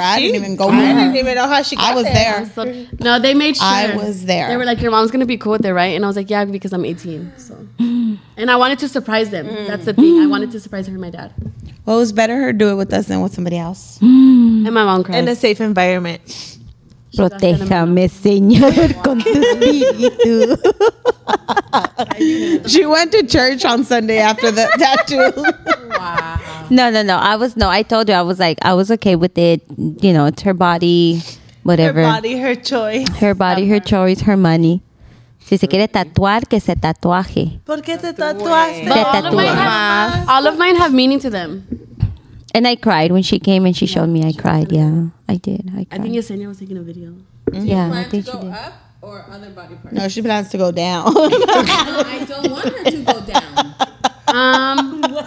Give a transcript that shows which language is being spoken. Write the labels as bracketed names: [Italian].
[English] I didn't even know how she got there. They made sure I was there. They were like, your mom's going to be cool with it, right? And I was like, yeah, because I'm 18. So, and I wanted to surprise them. That's the thing. I wanted to surprise her and my dad. Well, it was better her do it with us than with somebody else. And my mom cried. In a safe environment. [Spanish] Protéjame, señor, con tu espíritu. [English] She went to church on Sunday after the tattoo. Wow. No. I told you, I was okay with it. You know, it's her body, whatever. Her body, her choice. Her body, her choice, her money. [Spanish] Si se quiere tatuar, que se tatuaje. ¿Por qué te tatuaste? Se tatuaje. [English] All of mine have meaning to them. And I cried when she came and she showed me. I cried. Yeah, I did. I cried. I think Yesenia was taking a video. Mm-hmm. Yeah, I think she did. Do you plan to go up or other body parts? No, she plans to go down. No, I don't want her to go down.